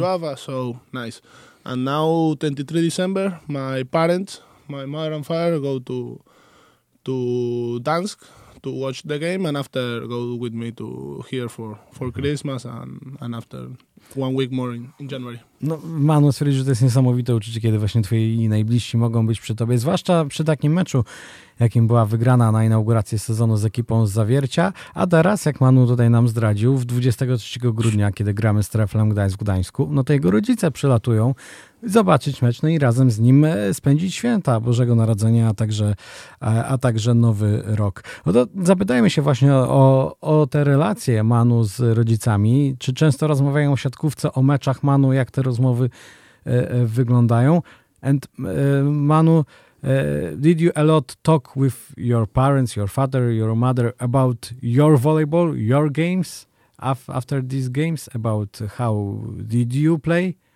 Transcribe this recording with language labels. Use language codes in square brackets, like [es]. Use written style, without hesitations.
[en] Juava, so nice. And now, 23 December, my parents, my mother and father, go to Dansk to watch the game, and after go with me to here for Christmas and after 1 week more in January. [pl] No, Manu, stwierdzi, że to jest niesamowite uczucie, kiedy właśnie twoi najbliżsi mogą być przy tobie, zwłaszcza przy takim meczu, jakim była wygrana na inaugurację sezonu z ekipą z Zawiercia, a teraz, jak Manu tutaj nam zdradził, w 23 grudnia, kiedy gramy z Treflem Gdańsk w Gdańsku, no to jego rodzice przylatują zobaczyć mecz, no i razem z nim spędzić święta Bożego Narodzenia, a także Nowy Rok. No to zapytajmy się właśnie o te relacje Manu z rodzicami. Czy często rozmawiają o siatkówce, o meczach Manu, jak te rozmowy wyglądają? [en] And Manu, did you a lot talk with your parents, your father, your mother about your volleyball, your games, after these games, about how did you play?